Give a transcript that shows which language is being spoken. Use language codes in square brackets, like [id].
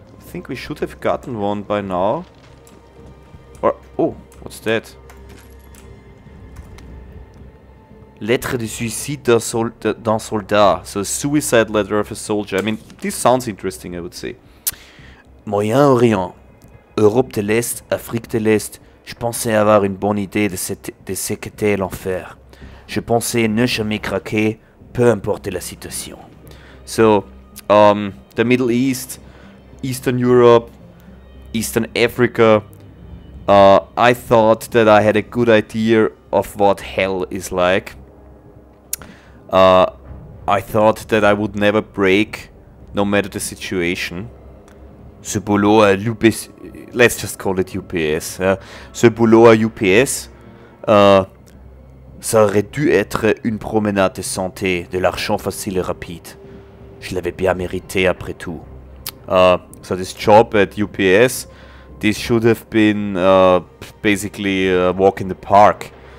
[en] think we should have gotten one by now. Or, oh, what's that? [fr] Lettre de suicide d'un soldat. [en] So, a suicide letter of a soldier. I mean, this sounds interesting, I would say. [fr] Moyen-Orient. Europe de l'Est, Afrique de l'Est. Je pensais avoir une bonne idée de ce qu'était l'enfer. Je pensais ne jamais craquer, peu importe la situation. [en] So, the Middle East, Eastern Europe, Eastern Africa. I thought that I had a good idea of what hell is like. I thought that I would never break, no matter the situation. [fr] Ce boulot à UPS, [en] let's just call it UPS. [fr] Ce boulot à UPS, ça aurait dû être une promenade de santé, de l'argent facile et rapide. Je l'avais bien mérité après tout. [en] So this job at UPS, this should have been basically a walk in the park.